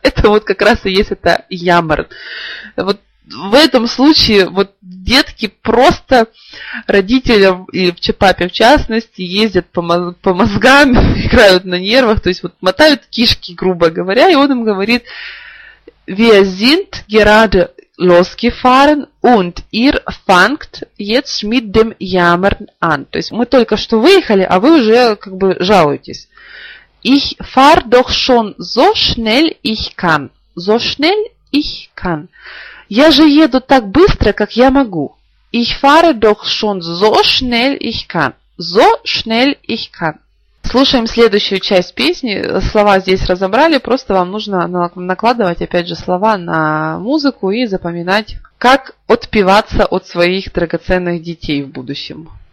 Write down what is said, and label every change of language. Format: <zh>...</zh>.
<ru>Это вот как раз и есть это ямр. Вот в этом случае вот детки просто родителям, и в ЧПАПе в частности, ездят по мозгам, играют на нервах, то есть вот мотают кишки, грубо говоря, и он им говорит</ru> <de>«Wir sind gerade losgefahren und ihr fangt jetzt mit dem Jammern an».</de> <ru>То есть мы только что выехали, а вы уже как бы жалуетесь.</ru> <de>Ich fahr doch schon so schnell ich kann. So schnell ich kann.</de> <ru>Я же еду так быстро, как я могу.</ru> <de>Ich fahr doch schon so schnell ich kann. So schnell ich kann.</de> <ru>Слушаем следующую часть песни. Слова здесь разобрали, просто вам нужно накладывать, опять же, слова на музыку и запоминать, как отпеваться от своих драгоценных детей в будущем.</ru>